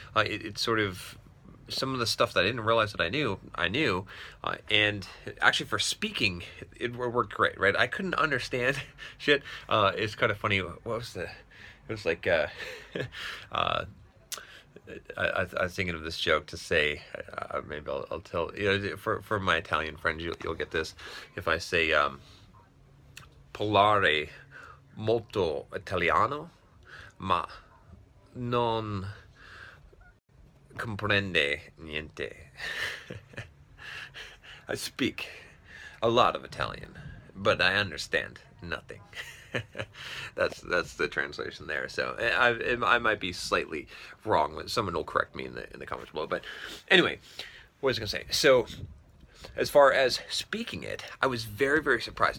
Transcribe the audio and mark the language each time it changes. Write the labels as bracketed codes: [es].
[en] It sort of, some of the stuff that I didn't realize that I knew, and actually for speaking, it worked great, right? I couldn't understand shit. It's kind of funny. I was thinking of this joke to say, maybe I'll tell, you know, for my Italian friends, you'll get this. [it] If I say, parlare molto italiano, ma non comprende niente. [en] I speak a lot of Italian, but I understand nothing. that's the translation there. So I might be slightly wrong, but someone will correct me in the comments below. But anyway, what was I gonna say? So as far as speaking it, I was very, very surprised.